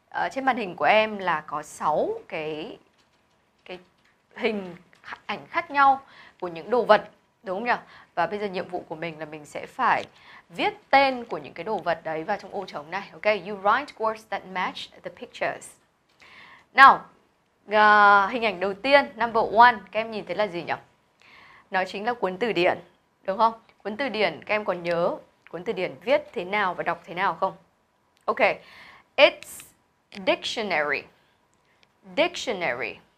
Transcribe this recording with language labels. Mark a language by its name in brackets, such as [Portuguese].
[Vietnamese] Trên màn hình của em là có 6 cái hình ảnh khác nhau của những đồ vật, đúng không nhỉ? Và bây giờ nhiệm vụ của mình là mình sẽ phải viết tên của những cái đồ vật đấy vào trong ô trống này. [English] Ok, you write words that match the pictures. [Vietnamese] Nào, hình ảnh đầu tiên, [English] number one, [Vietnamese] các em nhìn thấy là gì nhỉ? Nó chính là cuốn từ điển, đúng không? Cuốn từ điển, các em còn nhớ cuốn từ điển viết thế nào và đọc thế nào không? [English] Ok, it's dictionary. Dictionary.